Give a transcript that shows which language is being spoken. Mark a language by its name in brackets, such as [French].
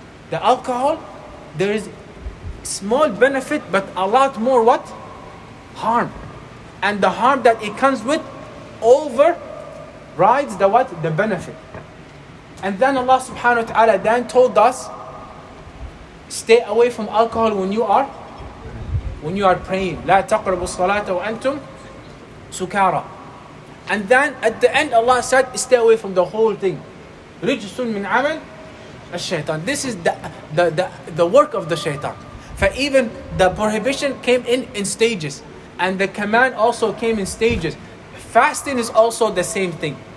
[English] The alcohol, there is small benefit, but a lot more what? Harm. And the harm that it comes with overrides the what? The benefit. And then Allah subhanahu wa ta'ala then told us, stay away from alcohol when you are praying. [Arabic] لا تقربوا الصلاة وأنتم سكارى. [English] And then at the end Allah said, stay away from the whole thing. [Arabic] رجس من عمل الشيطان. [English] This is the work of the shaitan. For even the prohibition came in stages. And the command also came in stages. Fasting is also the same thing.